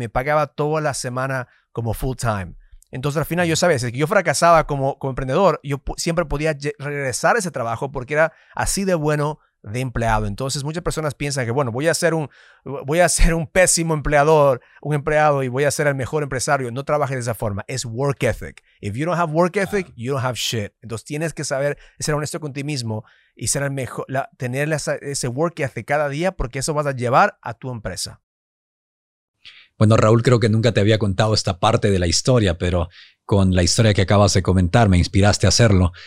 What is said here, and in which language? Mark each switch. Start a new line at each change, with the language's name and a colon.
Spanish: Me pagaba toda la semana como
English: full time.
Spanish: Entonces, al final, yo sabía, si yo fracasaba como emprendedor, yo siempre podía regresar a ese trabajo porque era así de bueno de empleado. Entonces, muchas personas piensan que, bueno, voy a ser un pésimo empleador, un empleado, y voy a ser el mejor empresario. No trabajes de esa forma. Es work ethic.
English: If you don't have work ethic, you don't have shit.
Spanish: Entonces, tienes que saber ser honesto con ti mismo y ser el mejor, tener ese work ethic cada día, porque eso vas a llevar a tu empresa. Bueno, Raúl, creo que nunca te había contado esta parte de la historia, pero con la historia que acabas de comentar, me inspiraste a hacerlo.